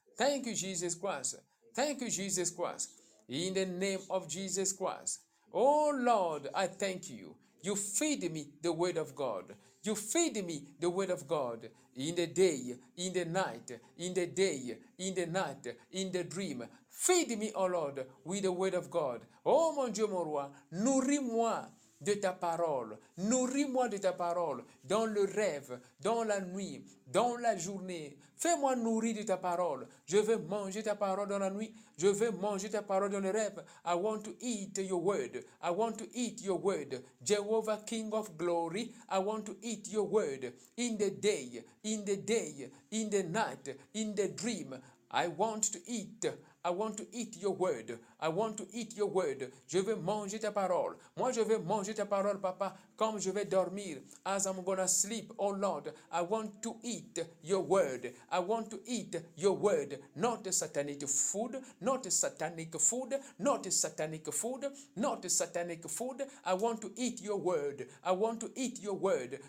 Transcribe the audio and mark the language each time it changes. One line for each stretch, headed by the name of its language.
English: Thank you, Jesus Christ. Thank you, Jesus Christ. In the name of Jesus Christ. Oh, Lord, I thank you. You feed me the word of God. You feed me the word of God in the day, in the night, in the day, in the night, in the dream. Feed me, oh Lord, with the word of God.
French: Oh, mon Dieu, mon roi, nourris-moi de ta parole. Nourris-moi de ta parole dans le rêve, dans la nuit, dans la journée. Fais-moi nourrir de ta parole. Je veux manger ta parole dans la nuit. Je veux manger ta parole dans le rêve.
English: I want to eat your word. I want to eat your word. Jehovah, King of Glory, I want to eat your word. In the day, in the day, in the night, in the dream, I want to eat. I want to eat your word. I want to eat your word.
French: Je veux manger ta parole. Moi, je veux manger ta parole, papa, comme je vais dormir.
English: As I'm gonna sleep, oh Lord, I want to eat your word. I want to eat your word. Not a satanic food. Not a satanic food. Not a satanic food. Not a satanic food. I want to eat your word. I want to eat your word.